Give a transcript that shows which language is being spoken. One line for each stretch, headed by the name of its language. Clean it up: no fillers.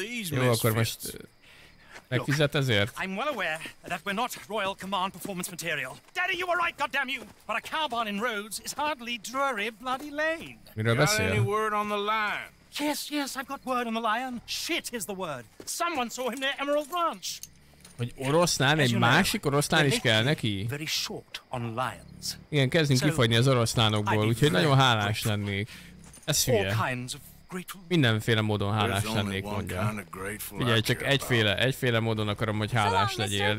Hungarian: Jó, akkor most megfizet ezért?
English: I'm well aware that we're not Royal Command performance material. Daddy, you were right, goddamn you! But a cowbarn in Rhodes is hardly Drury Bloody Lane.
Hungarian: Miről beszél?
English: Got any word on the lion? Yes, I've got word on the lion. Shit is the word. Someone saw him near Emerald Ranch.
Hungarian: Hogy oroszlán, egy másik oroszlán is kell neki?
English: Very short on lions.
Hungarian: Igen, kezdünk kifogyni az oroszlánokból, úgyhogy nagyon hálás lennék. Ez hülye. Mindenféle módon hálás lennék, mondja. Figyelj, csak egyféle módon akarom, hogy hálás legyél.